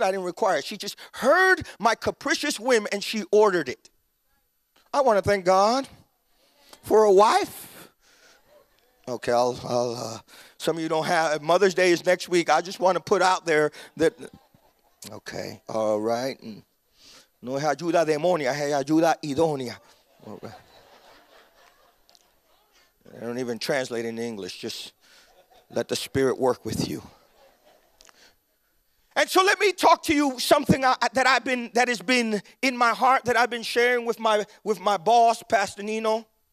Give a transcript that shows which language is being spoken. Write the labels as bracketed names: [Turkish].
[English] I didn't require it. She just heard my capricious whim, and she ordered it. I want to thank God for a wife. Okay, some of you don't have, Mother's Day is next week. I just want to put out there that, okay, all right. [Spanish] No es ayuda demonia, es ayuda idónea. [English] I don't even translate in English, just let the Spirit work with you. And so let me talk to you something that has been in my heart, that I've been sharing with my boss, Pastor Nino.